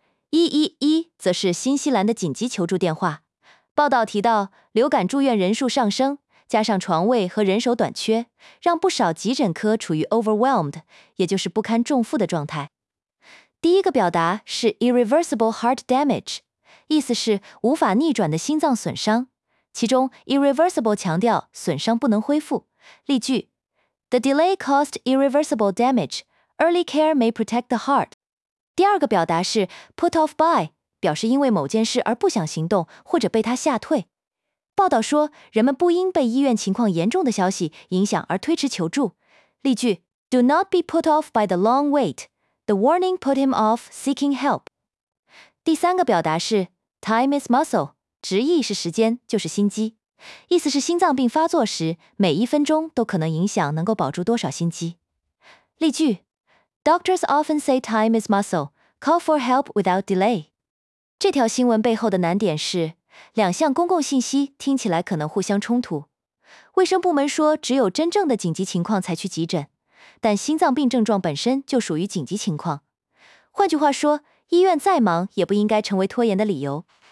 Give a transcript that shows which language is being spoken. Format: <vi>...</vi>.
<zh>111则是新西兰的紧急求助电话。报道提到，流感住院人数上升，加上床位和人手短缺，让不少急诊科处于 overwhelmed， 也就是不堪重负的状态。第一个表达是</zh> <en>irreversible heart damage，</en> <zh>意思是无法逆转的心脏损伤。其中 irreversible 强调损伤不能恢复。例句：</zh> <en>The delay caused irreversible damage. Early care may protect the heart.</en> <zh>第二个表达是</zh> <en>put off by，</en> <zh>表示因为某件事而不想行动或者被它吓退。报道说，人们不应被医院情况严重的消息影响而推迟求助。例句：</zh> <en>Do not be put off by the long wait. The warning put him off seeking help.</en> <zh>第三个表达是</zh> <en>time is muscle，</en> <zh>直译是时间，就是心肌，意思是心脏病发作时，每一分钟都可能影响能够保住多少心肌。例句：</zh> <en>Doctors often say time is muscle. Call for help without delay.</en> <zh>这条新闻背后的难点是，两项公共信息听起来可能互相冲突。卫生部门说只有真正的紧急情况才去急诊，但心脏病症状本身就属于紧急情况。换句话说，医院再忙也不应该成为拖延的理由。</zh>